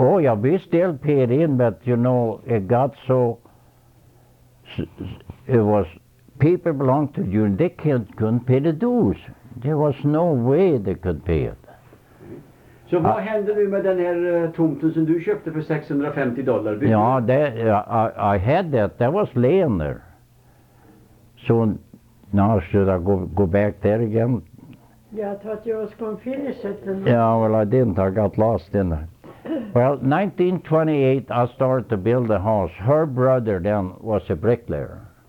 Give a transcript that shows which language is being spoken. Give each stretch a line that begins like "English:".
English: oh, yeah, we still paid in, but, you know, it got so... It was... People belonged to the union, they couldn't pay the dues. There was no way they could pay it.
Swedish: Så vad hände nu med den här tomten som du köpte för $650?
English: Ja, I had that. That was laying there. So now should I go back there again? Yeah, I thought you was going to finish it. Yeah, well, I didn't. I got lost, didn't I? Well, 1928, I started to build a house. Her brother then was a bricklayer.